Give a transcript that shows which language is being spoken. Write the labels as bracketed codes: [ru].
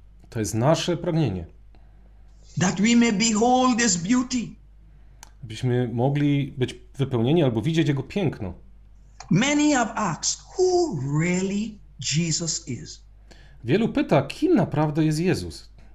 [pl] To jest nasze pragnienie. [en] That we may behold his beauty. [pl] Byśmy mogli być wypełnieni albo widzieć jego piękno. [en] Many have asked who really Jesus is. [pl] Wielu pyta, kim naprawdę jest Jezus.